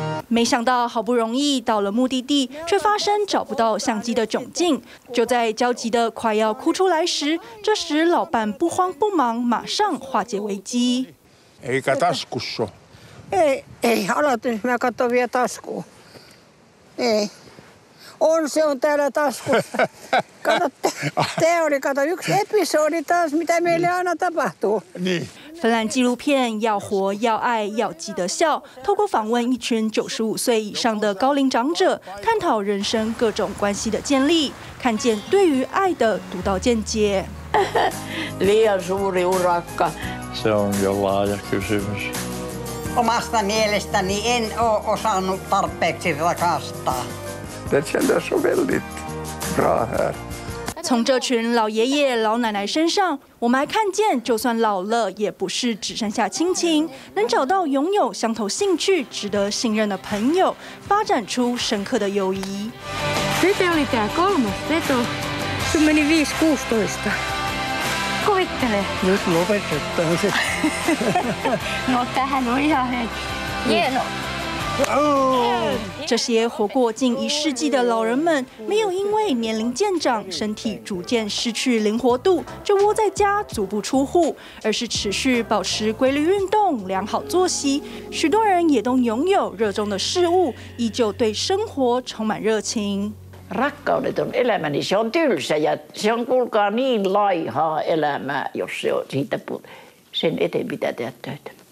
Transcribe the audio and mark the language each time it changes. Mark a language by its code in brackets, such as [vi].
[zh] 没想到好不容易到了目的地，却发生找不到相机的窘境。就在焦急的快要哭出来时，这时老伴不慌不忙，马上化解危机。 [fi] Eikä taskussa. Ei, ei halutin. Mä katson vielä taskuun. Ei. On, se on täällä taskussa. Kato, tää oli, kato, yksi episodi taas, mitä meille aina tapahtuu. Niin. [zh] 芬兰纪录片《要活要爱要记得笑》，透过访问一群95岁以上的高龄长者，探讨人生各种关系的建立，看见对于爱的独到见解。 [fi] Liian suuri urakka. Se on jo laaja kysymys. Omasta mielestäni en ole osannut tarpeeksi rakastaa. Tässä tässä on [sv] väldigt bra här. [zh] 从这群老爷爷老奶奶身上，我们还看见就算老了也不是只剩下亲情，能找到拥有相同兴趣值得信任的朋友，发展出深刻的友谊。 [fi] Sitä oli tää kolmas veto. Se meni 5-16. Kuvittele. Nyt lopetetaan se. No tähän on ihan hieno. [zh] 这些活过近一世纪的老人们，没有因为年龄渐长，身体逐渐失去灵活度，就窝在家足不出户，而是持续保持规律运动、良好作息。许多人也都拥有热衷的事物，依旧对生活充满热情。 [fi] Rakkaudet on elämäni, se on tylsä ja se on kuulkaa niin laihaa elämää, jos se on siitä pu, sen eteen pitää tehdä töitä.